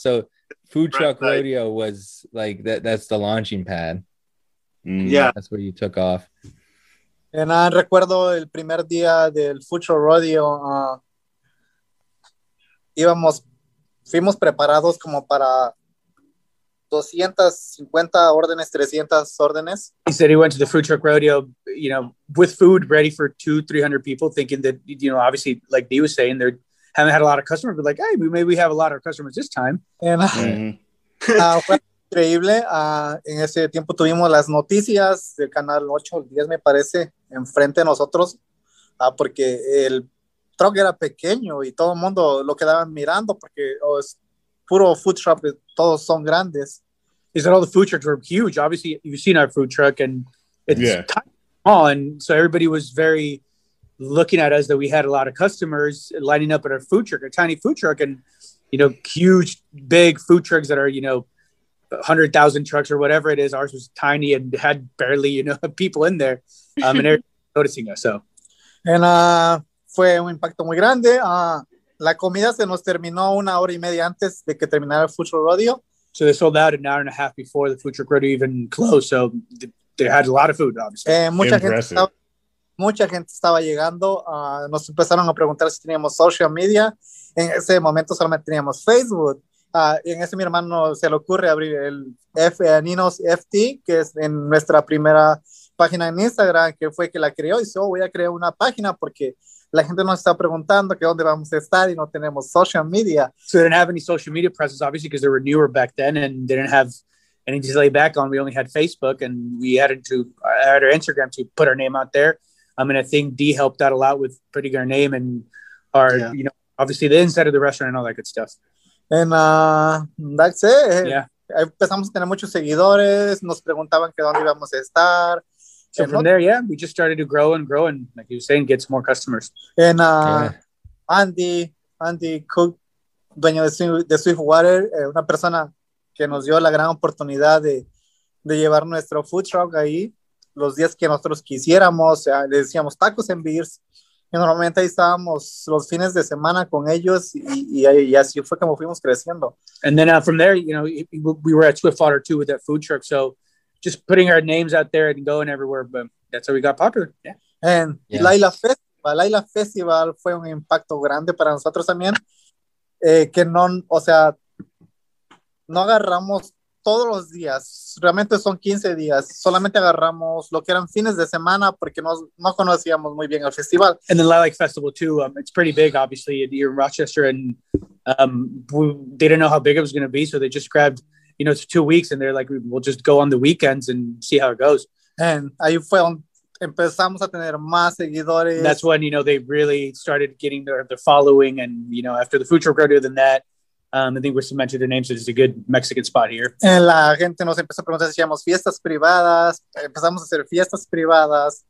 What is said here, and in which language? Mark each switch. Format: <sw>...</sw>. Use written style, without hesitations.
<en>So Food Truck Rodeo was like that. That's the launching pad. Yeah. That's where you took off. And I</en> <es>recuerdo el primer día del Food Truck Rodeo. Fuimos preparados como para 250 órdenes, 300 órdenes.</es> <en>He said he went to the Food Truck Rodeo, you know, with food ready for 200-300 people, thinking that, you know, obviously, like Dee was saying, they haven't had a lot of customers, but like, hey, maybe we have a lot of customers this time.</en> <es>And fue increíble. En ese tiempo tuvimos las noticias del canal 8, el 10, me parece, enfrente de nosotros, porque el truck era pequeño y todo el mundo lo quedaba mirando porque es puro food truck, todos son grandes.</es> <en>He said all the food trucks were huge. Obviously, you've seen our food truck and it's tiny small. And so everybody was very looking at us that we had a lot of customers lining up at our food truck, a tiny food truck, and, you know, huge, big food trucks that are, you know, 100,000 trucks or whatever it is. Ours was tiny and had barely, you know, people in there. And everybody noticing us. So.</en> <es>And, fue un impacto muy grande. La comida se nos terminó una hora y media antes de que terminara el Food Truck Rodeo.</es> <en>So they sold out an hour and a half before the Food Truck Rodeo even closed. So they had a lot of food, obviously.</en> <es>Mucha gente estaba llegando. Nos empezaron a preguntar si teníamos social media. En ese momento solamente teníamos Facebook. Y en ese mi hermano se le ocurre abrir el Neno's FT, que es en nuestra primera página en Instagram, que fue que la creó. Y dice, voy a crear una página porque la gente nos está preguntando que dónde vamos a estar y no tenemos social media.</es> <en>So they didn't have any social media presence, obviously, because they were newer back then and they didn't have any to lay back on. We only had Facebook and we added to our Instagram to put our name out there. I mean, I think Dee helped out a lot with putting our name and our, you know, obviously the inside of the restaurant and all that good stuff. And that's it. Yeah.</en> <es>Empezamos a tener muchos seguidores. Nos preguntaban que dónde íbamos a estar.</es> <en>So and from there, yeah, we just started to grow and grow and, like you were saying, get some more customers.</en> <es>And Andy Cook, dueño de Swiftwater, una persona que nos dio la gran oportunidad de llevar nuestro food truck ahí los días que nosotros quisiéramos. O sea, le decíamos</es> <en>tacos and beers.</en> <es>Y normalmente ahí estábamos los fines de semana con ellos y así fue como fuimos creciendo.</es> <en>And then from there, you know, we were at Swiftwater too with that food truck, so just putting our names out there and going everywhere, but that's how we got popular. Yeah.</en> <es>And Laila Festival fue un impacto grande para nosotros también. Que no, o sea, no agarramos todos los días. Realmente son 15 días. Solamente agarramos lo que eran fines de semana porque no conocíamos muy bien el festival.</es> <en>And the Lilac Festival too. It's pretty big, obviously, here in Rochester. And they didn't know how big it was going to be, so they just grabbed, you know, it's 2 weeks and they're like, we'll just go on the weekends and see how it goes.</en> <es>And ahí fue empezamos a tener más seguidores.</es> <en>That's when, you know, they really started getting their following. And, you know, after the food truck rodeo than that, I think we should mention their names. It's a good Mexican spot here.</en> <es>And la gente nos empezó a preguntar si hacíamos fiestas privadas. Empezamos a hacer fiestas privadas.</es>